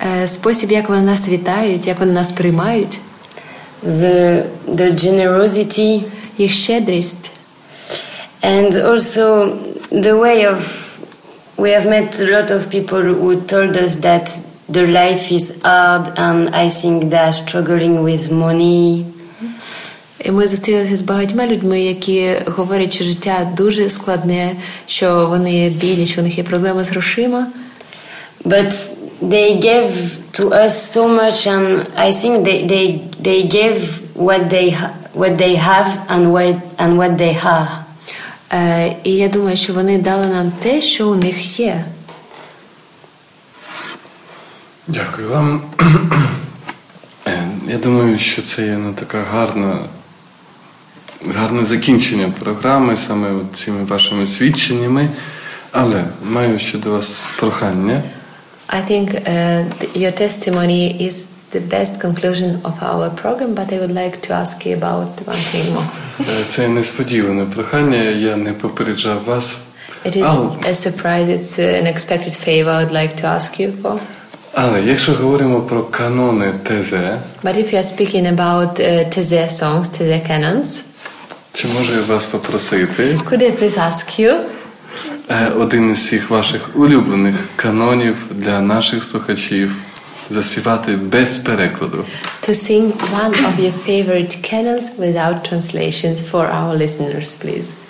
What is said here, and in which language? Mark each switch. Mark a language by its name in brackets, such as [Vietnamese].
[Ukrainian] Спосіб, як вони нас вітають, як вони нас приймають. [English] The generosity, [Ukrainian] їх щедрість, [English] and also the way of, we have met a lot of people who told us that their life is hard and I think they're struggling with money. [Ukrainian] І ми зустрілися з багатьма людьми, які говорять, що життя дуже складне, що вони бідні, що у них є проблеми з грошима. [English] But they gave to us so much and I think they gave what they have and what they are. [Ukrainian] І я думаю, що вони дали нам те, що у них є. Дякую вам. Я думаю, що це є така гарне закінчення програми саме цими вашими свідченнями. Але маю ще до вас прохання. [English] I think your testimony is the best conclusion of our program, but I would like to ask you about one thing more. [Ukrainian] Це несподіване прохання, я не попереджав вас. [English] It is a surprise, it's an unexpected favor I would like to ask you for. [Ukrainian] Але якщо говоримо про канони ТЗ, [English] but if you are speaking about ТЗ songs, ТЗ canons, [Ukrainian] чи можу я вас попросити? [English] Could I please ask you? [Ukrainian] Один із всіх ваших улюблених канонів для наших слухачів заспівати без перекладу. [English] To sing one of your favorite canons without translations for our listeners, please.